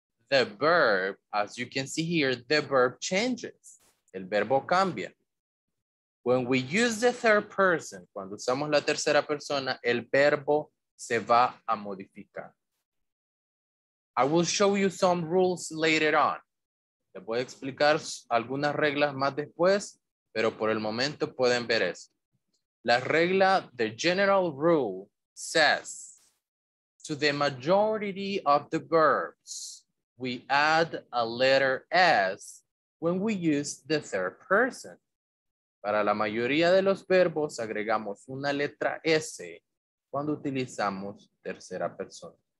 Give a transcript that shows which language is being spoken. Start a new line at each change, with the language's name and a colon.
English: the verb, as you can see here, the verb changes.
Spanish: El verbo cambia.
English: When we use the third person,
Spanish: cuando usamos la tercera persona, el verbo se va a modificar.
English: I will show you some rules later on.
Spanish: Te voy a explicar algunas reglas más después, pero por el momento pueden ver esto. La regla,
English: the general rule, says, to the majority of the verbs, we add a letter S when we use the third person.
Spanish: Para la mayoría de los verbos, agregamos una letra S cuando utilizamos tercera persona.